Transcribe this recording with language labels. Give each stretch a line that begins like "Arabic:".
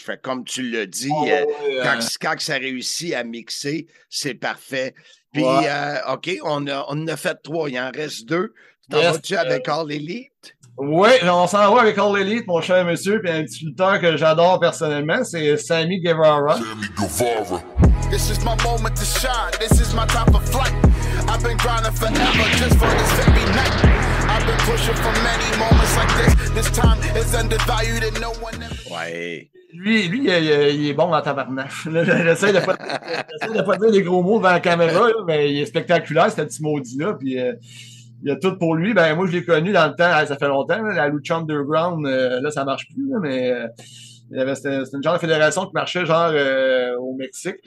French: Fait comme tu l'as dit, quand ça réussit à mixer, c'est parfait. Puis, ouais. OK, on en a fait trois, il en reste deux. T'en vas-tu avec All Elite? Oui, on s'en va avec All Elite, mon cher monsieur, puis un petit lutteur que j'adore personnellement, c'est Sammy Guevara.
English: This is my moment to shine, this is my type of flight. I've been grinding forever just for this very night. I've been pushing for many moments like this. This time is undervalued and no one ever...
French: Ouais. Lui, il est bon en tabarnache. J'essaie de ne pas dire des gros mots devant la caméra, mais il est spectaculaire, ce petit maudit-là, puis... Il y a tout pour lui. Ben moi, je l'ai connu dans le temps. Ça fait longtemps. La Lucha Underground, là, ça marche plus. Là, mais c'était une genre de fédération qui marchait genre au Mexique.